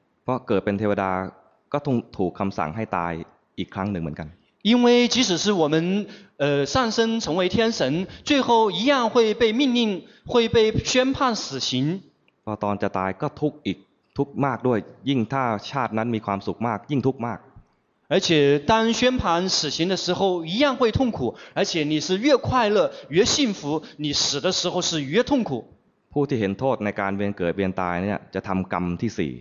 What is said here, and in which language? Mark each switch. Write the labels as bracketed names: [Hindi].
[Thai] เพราะเกิดเป็นเทวดาก็ต้องถูกคำสั่งให้ตายอีกครั้งหนึ่งเหมือนกัน [Chinese] 因为即使是我们上升成为天神最后一样会被命令会被宣判死刑 [Thai] พอตอนจะตายก็ทุกข์อีกทุกข์มากด้วยยิ่งถ้าชาตินั้นมีความสุขมากยิ่งทุกข์มาก [Chinese] 而且当宣判死刑的时候一样会痛苦而且你是越快乐越幸福你死的时候是越痛苦 [Thai] ผู้ที่เห็นโทษในการเวียนเกิดเวียนตายเนี่ยจะทำกรรมที่สี